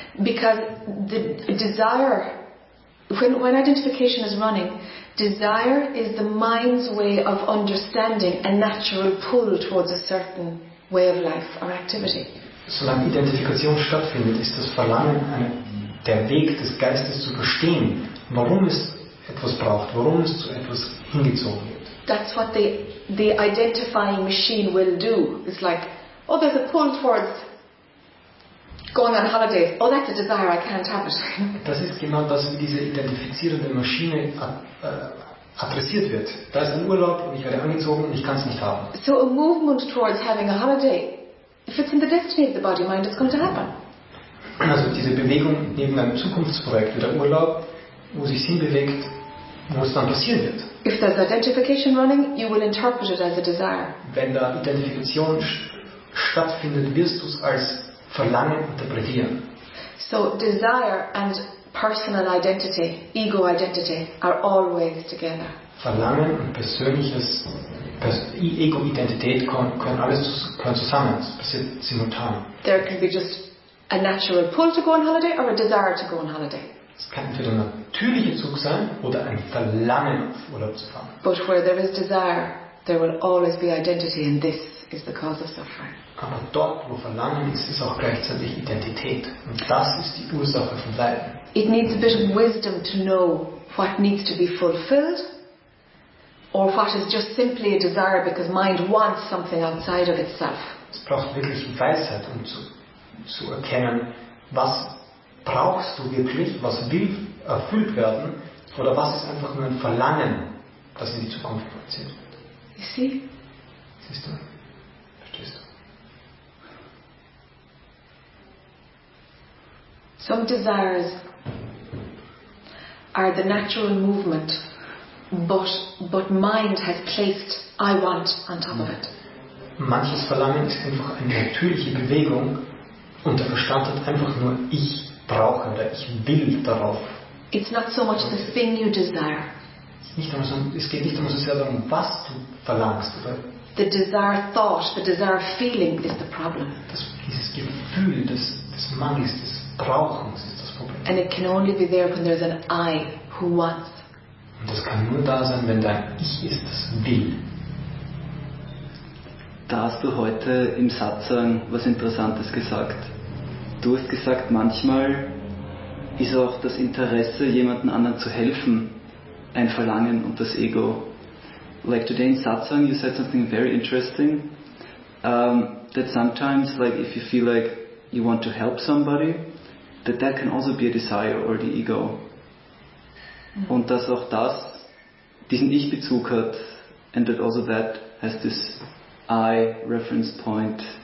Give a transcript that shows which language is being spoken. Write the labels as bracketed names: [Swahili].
[English] Because the desire, when identification is running, desire is the mind's way of understanding a natural pull towards a certain way of life or activity. [German] Solange Identifikation stattfindet, ist das Verlangen der Weg des Geistes zu verstehen, warum es etwas braucht, warum es zu etwas hingezogen wird. [English] That's what the identifying machine will do. It's like, oh, there's a pull towards going on holiday. Oh, that's a desire, I can't have it. [German] Das ist genau das, wie diese identifizierende Maschine adressiert wird. Da ist ein Urlaub und ich werde angezogen und ich kann es nicht haben. [English] So a movement towards having a holiday, if it's in the destiny of the body mind, it's going to happen. [German] Also diese Bewegung neben einem Zukunftsprojekt wie der Urlaub, wo sich Sinn bewegt, wo es dann passieren wird. [English] If there's identification running, you will interpret it as a desire. [German] Wenn da Identifikation stattfindet, wirst du es als Verlangen interpretieren. [English] So desire and personal identity, ego identity, are always together. [German] Verlangen und persönliches Ego-Identität können zusammen, es passiert simultan. [English] There can be just a natural pull to go on holiday or a desire to go on holiday. [German] Es kann entweder ein natürlicher Zug sein oder ein Verlangen, auf Urlaub zu fahren. [English] But where there is desire, there will always be identity, and this is the cause of suffering. [German] Aber dort, wo Verlangen ist, ist auch gleichzeitig Identität, und das ist die Ursache von Leiden. [English] It needs a bit of wisdom to know what needs to be fulfilled, or what is just simply a desire because mind wants something outside of itself. [German] Es braucht wirklich Weisheit, um zu erkennen, was brauchst du wirklich, was will erfüllt werden, oder was ist einfach nur ein Verlangen, das in die Zukunft projiziert wird. Siehst du? Verstehst du? [English] Some desires are the natural movement, but mind has placed I want on top of it. [German] Manches Verlangen ist einfach eine natürliche Bewegung und der Verstand hat einfach nur ich. Ich will darauf. [English] It's not so much the thing you desire. [German] Es geht nicht so sehr darum, was du verlangst, oder? [English] The desire thought, the desire feeling is the problem. [German] Dieses Gefühl des Mangels, des Brauchens ist das Problem. [English] And it can only be there when there's an I who wants. [German] Und das kann nur da sein, wenn dein Ich ist, das will. Da hast du heute im Satsang was Interessantes gesagt. Du hast gesagt, manchmal ist auch das Interesse, jemanden anderen zu helfen, ein Verlangen und das Ego. [English] Like today in Satsang, you said something very interesting, that sometimes, like if you feel like you want to help somebody, that can also be a desire or the ego. [German] Und dass auch das diesen Ich-Bezug hat, [English] and that also that has this I reference point.